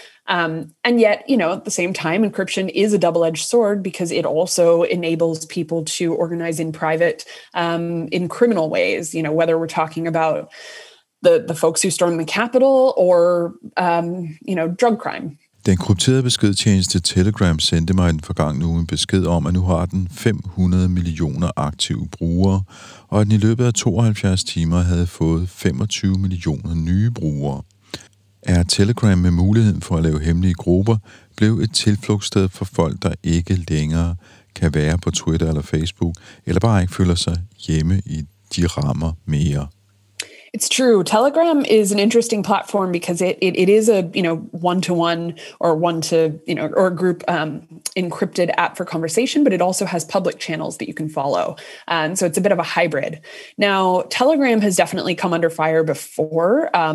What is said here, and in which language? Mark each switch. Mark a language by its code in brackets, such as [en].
[en] And yet, you know, at the same time, encryption is a double-edged sword because it also enables people to organize in private, in criminal ways, you know, whether we're talking about the folks who stormed the Capitol or, you know, drug crime. [da] Den krypterede beskedtjeneste Telegram sendte mig den forgangne uge en besked om, at nu har den 500 millioner aktive brugere, og at den i løbet af 72 timer havde fået 25 millioner nye brugere. Er Telegram med muligheden for at lave hemmelige grupper blev et tilflugtssted for folk, der ikke længere kan være på Twitter eller Facebook, eller bare ikke føler sig hjemme i de rammer mere. [en] It's true. Telegram is an interesting platform because it is a, you know, one-to-one or one-to-or group encrypted app for conversation, but it also has public channels that you can follow. And so it's a bit of a hybrid. Now, Telegram has definitely come under fire before.